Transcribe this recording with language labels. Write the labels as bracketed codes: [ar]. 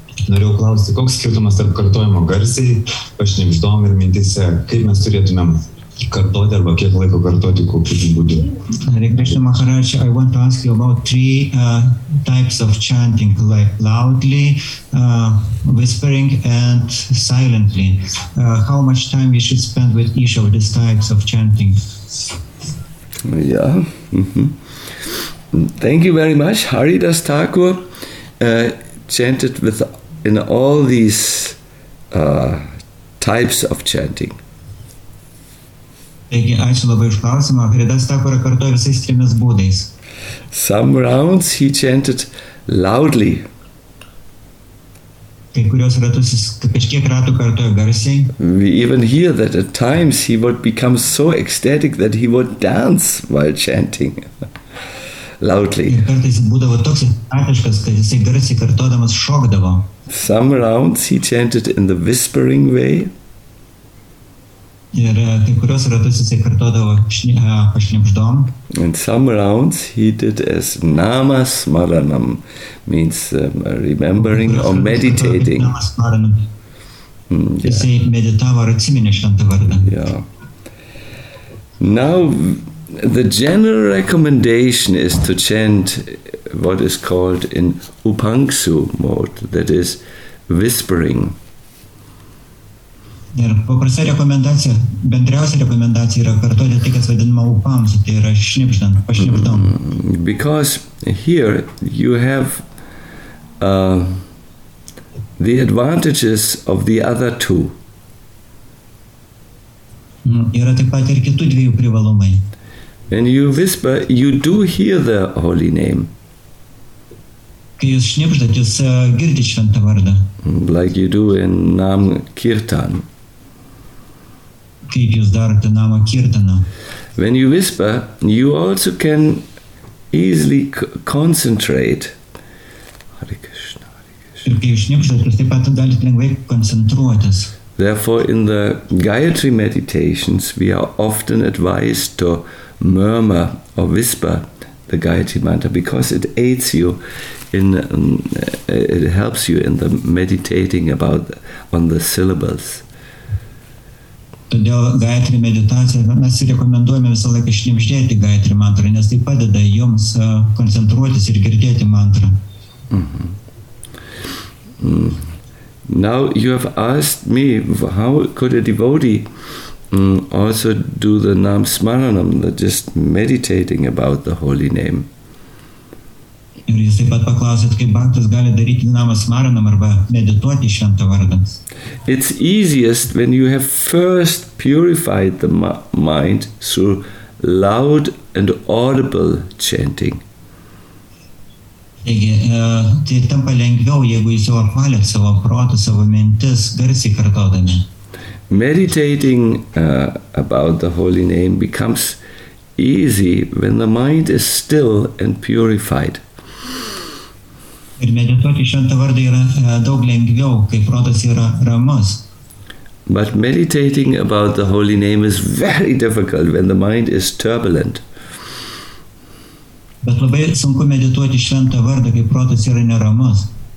[lt] Norėjau klausti, koks skirtumas tarp kartojimo garsiai, pašnibždom ir mintise, kaip mes turėtumėm kartoti arba kiek laiko kartoti, kokiu būdu. [en] Hare Krishna Maharaj, I want to ask you about three types of chanting, like loudly, whispering and silently. How much time we should spend with each of these types of chanting? Yeah. Thank you very much. Haridas Thakur chanted in all these types of chanting. [lt] Taigi, ačiū labai už klausimą. Haridas Thakur kartojo visais trimis būdais. [en] Some rounds he chanted loudly. [lt] Kai kurios ratus jis kažkiek ratų kartojo garsiai. [en] We even hear that at times he would become so ecstatic that he would dance while chanting. Loudly. [lt] Ir kartais būdavo toks atiškas, kad jisai garsiai kartodamas šokdavo. [en] Some rounds he chanted in the whispering way. [lt] Ir kai kurios ratus jisai kartodavo pašnibždom. [en] And some rounds he did as namasmaranam, means remembering or meditating. [lt] Jisai meditavo ar atsiminė šventą vardą. [en] Now, the general recommendation is to chant what is called in upangsu mode, that is whispering. [lt] Ir paprasta rekomendacija, bendriausia rekomendacija yra kartoti tai, kas vadinama upangsu, tai yra šnipždant, pašnipždant. [en] Because here you have the advantages of the other two. [lt] Yra taip pat ir kitų dviejų privalumai. [en] When you whisper, you do hear the holy name. [lt] Kai jūs šnipždat, jūs girdi šventą vardą. [en] Like you do in Nam Kirtan. [lt] Kaip jūs darote Namo Kirtaną. [en] When you whisper, you also can easily concentrate. [sa] Hare Krishna, Hare Krishna. [lt] Ir kai jūs šnipždat, jūs taip pat galit lengvai koncentruotis. [en] Therefore, in the Gayatri meditations, we are often advised to murmur or whisper the Gayatri mantra because it aids you in, it helps you in the meditating about on the syllables. [lt] Todėl Gayatri meditacija, mes rekomenduojame visą laiką šnipždėti Gayatri mantra, nes tai padeda jums koncentruotis ir girdėti mantrą. [en] Now you have asked me how could a devotee also do the Nam Smaranam, the just meditating about the holy name. [lt] Ir jūs taip pat paklausėt, kaip baktas gali daryti Namo Smaranam arba medituoti šventą vardą. [en] It's easiest when you have first purified the mind through loud and audible chanting. [lt] Taigi, tai tampa lengviau, jeigu jūs jau apvalėt savo protą, savo mintis, garsiai kartodami. [en] Meditating about the holy name becomes easy when the mind is still and purified. [lt] Ir medituoti šventą vardą yra daug lengviau, kai protas yra ramus. [en] But meditating about the holy name is very difficult when the mind is turbulent. [lt] Bet labai sunku medituoti šventą vardą, kai protas yra neramus.